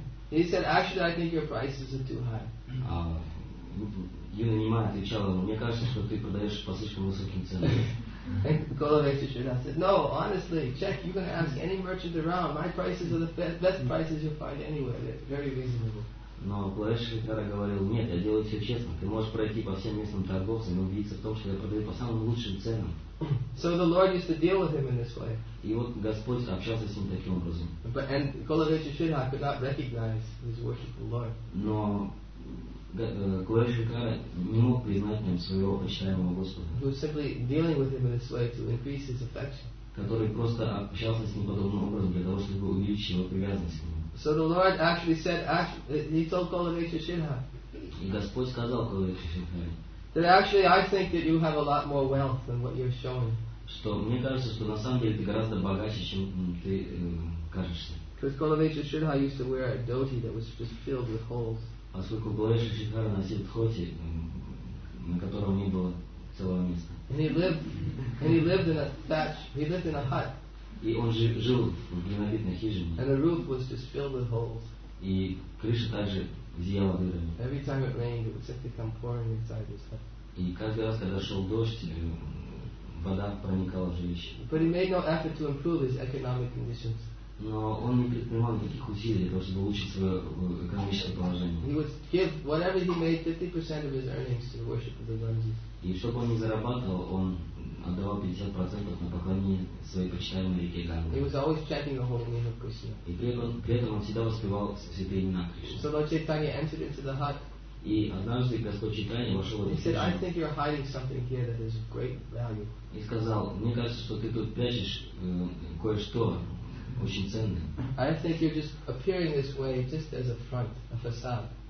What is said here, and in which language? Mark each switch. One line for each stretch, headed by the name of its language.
English: He said, "Actually, I think your prices are too high."
Russian: Юный Нимай отвечал ему, "Мне кажется, что ты продаешь по слишком высоким ценам."
English: And Kulaviksha Sridhara said, "No, honestly, check. You can ask any merchant around. My prices are the best prices you'll find anywhere. They're very reasonable."
Russian: Но Kulaviksha Sridhara говорил, "Нет, я делаю все честно. Ты можешь пройти по всем местным торговцам и убедиться в том, что я продаю по самым лучшим ценам."
English: So the Lord used to deal with him in this way.
Russian: И вот Господь общался с ним таким образом.
English: But and Kulaviksha Sridhara could not recognize his worshipful Lord.
Russian: Но Kulaviksha Sridhara не мог признать ним своего почитаемого Господа.
English: He was simply dealing with him in this way to increase his affection.
Russian: Который просто общался с ним подобным образом для того, чтобы увеличить его привязанность к нему.
English: So the Lord actually said, he told Kulaviksha Sridhara.
Russian: И Господь сказал Kulaviksha Sridhara.
English: That actually I think that you have a lot more wealth than what you're showing.
Russian: Что мне кажется, что на самом деле ты гораздо богаче, чем ты кажешься.
English: Because Kulaviksha Sridhara used to wear a dhoti that was just filled with holes.
Russian: Поскольку Kulaviksha Sridhara носил дхоти, на котором не было целого места.
English: And he lived in a hut.
Russian: И он жил в глинобитной хижине.
English: And the roof was just filled with holes.
Russian: И крыша также зияла дырами.
English: Every time it rained, it would simply come pouring inside his hut.
Russian: И каждый раз, когда шел дождь, вода проникала в жилище.
English: But he made no effort to improve his economic conditions.
Russian: Но он не предпринимал никаких усилий для того, чтобы улучшить свое экономическое положение.
English: He would give whatever he made 50% of his earnings to the worship of the Ganges.
Russian: И чтобы он не зарабатывал, он отдавал 50% на поклонение своей почитаемой реке Ганге.
English: He was always chanting the holy name of Krishna.
Russian: И при этом он всегда воспевал святые имена Кришны.
English: So Lord Chaitanya entered into the hut.
Russian: И однажды Господь Чайтанья вошел в эту хижину.
English: He said, "I think you're hiding something here that is of great value."
Russian: И сказал, "Мне кажется, что ты тут прячешь кое-что, очень ценные.
English: I think you're just appearing this way just as a front, a facade.